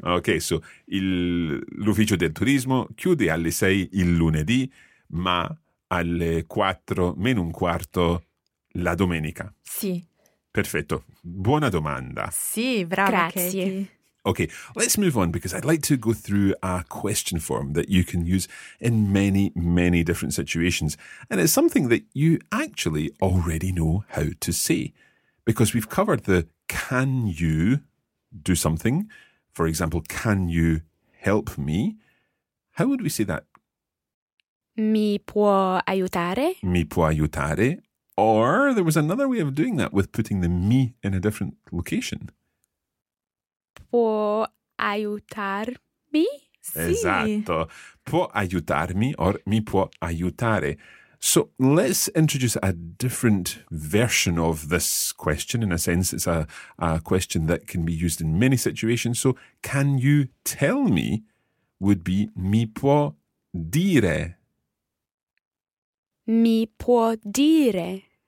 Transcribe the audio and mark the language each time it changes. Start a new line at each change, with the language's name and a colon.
Italian: Ok, so l'ufficio del turismo chiude alle 6 il lunedì, ma alle 4 meno un quarto la domenica. Sì. Perfetto. Buona domanda. Sì, bravo. Grazie.
English: Okay, let's move on because I'd like to go through a question form that you can use in many, many different situations. And it's something that you actually already know how to say because we've covered the can you do something? For example, can you help me? How would we say that?
Italian: Mi può aiutare? Mi può aiutare.
English: Or there was another way of doing that with putting the mi in a different location.
Italian: Può aiutarmi? Sì. Esatto. Può aiutarmi or mi può aiutare.
English: So let's introduce a different version of this question. In a sense, it's a question that can be used in many situations. So can you tell me would be
Italian: mi può dire. Mi può dire.